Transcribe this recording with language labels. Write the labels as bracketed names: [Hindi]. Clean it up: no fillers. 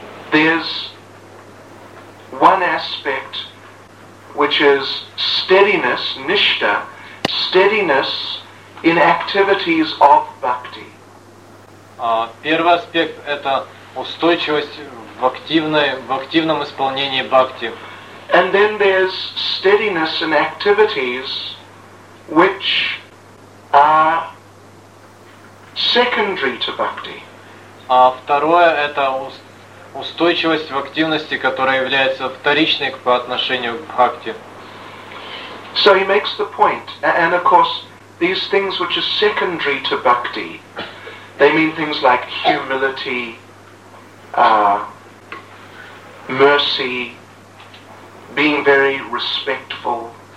[English] There's one aspect which is steadiness, nishta, steadiness in activities of bhakti. [Russian] Первый аспект – это устойчивость в активном исполнении бхакти. [English] And then there's steadiness in activities which are secondary to bhakti. [Russian] А второе – это устойчивость в активности, которая является вторичной по отношению к бхакти. [English] So he makes the point, and of course, these things which are secondary to bhakti, they mean things like humility, mercy, being very respectful.